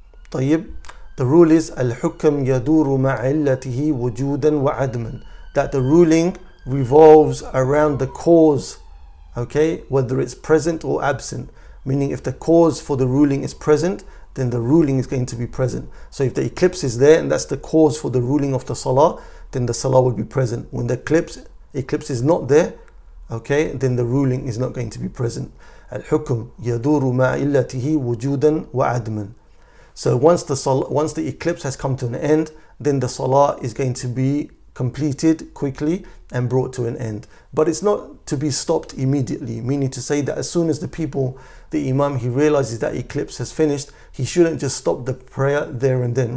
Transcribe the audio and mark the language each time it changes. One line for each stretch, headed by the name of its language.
English: طيب, the rule is
Arabic: الحكم يدور مع علته وجودا وعدما,
English: that the ruling revolves around the cause, okay, whether it's present or absent. Meaning if the cause for the ruling is present, then the ruling is going to be present. So if the eclipse is there and that's the cause for the ruling of the salah, then the salah will be present. When the eclipse is not there, okay, then the ruling is not going to be present.
Arabic: الحكم يدور مع علته وجودا وعدما.
English: So once the eclipse has come to an end, then the salah is going to be completed quickly and brought to an end. But it's not to be stopped immediately, meaning to say that as soon as the imam, he realizes that eclipse has finished, he shouldn't just stop the prayer there and then.